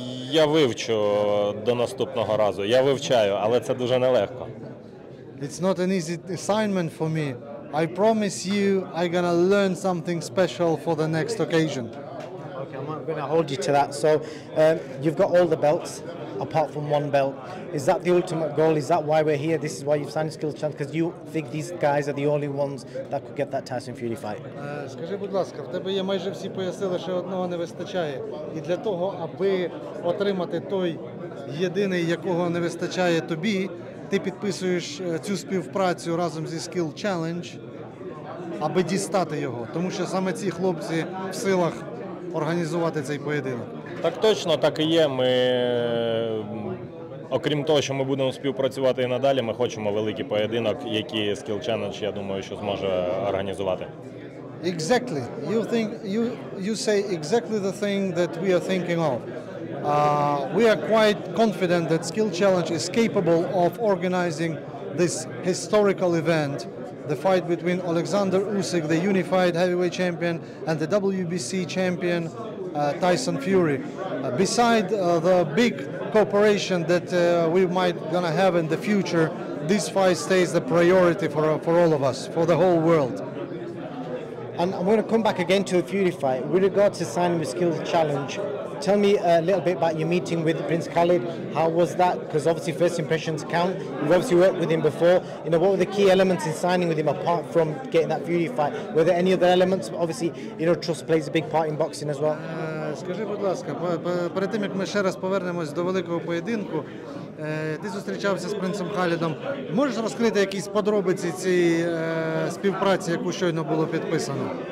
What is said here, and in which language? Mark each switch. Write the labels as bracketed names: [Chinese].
[Ukrainian] Я вивчу до наступного разу. Я вивчаю, але це дуже нелегко. [English] It's not an easy assignment for me. I promise you, I'm gonna learn something special for the next occasion. Okay, I'm gonna hold you to that. So, you've got all the belts, apart from one belt. Is that the ultimate goal? Is that why we're here? This is why you've signed Skills Challenge? Because you think these guys are the only ones that could get that Tyson Fury fight? [Ukrainian] Скажи, будь ласка, в тебе є майже всі пояси, лише одного не вистачає. І для того, аби отримати той єдиний, якого не вистачає тобі, ти підписуєш цю співпрацю разом зі Skill Challenge, аби дістати його, тому що саме ці хлопці в силах організувати цей поєдинок. Так точно, так і є. Ми, окрім того, що ми будемо співпрацювати і надалі, ми хочемо великий поєдинок, який Skill Challenge, я думаю, що зможе організувати. [English] Exactly. You say exactly the thing that we are thinking of. We are quite confident that Skill Challenge is capable of organizing this historical event, the fight between Alexander Usyk, the unified heavyweight champion, and the WBC champion, Tyson Fury. Beside the big cooperation that we might gonna have in the future, this fight stays the priority for all of us, for the whole world. And I'm going to come back again to the Fury fight. With regard to signing the Skills Challenge, tell me a little bit about your meeting with Prince Khalid. How was that? Because obviously first impressions count. You've obviously worked with him before. You know, what were the key elements in signing with him apart from getting that Fury fight? Were there any other elements? Obviously, you know, trust plays a big part in boxing as well. [Ukrainian] Скажи, будь ласка, перед тим, як ми ще раз повернемось до великого поєдинку, ти зустрічався з принцем Халідом. Можеш розкрити якісь подробиці цієї співпраці, яку щойно було підписано?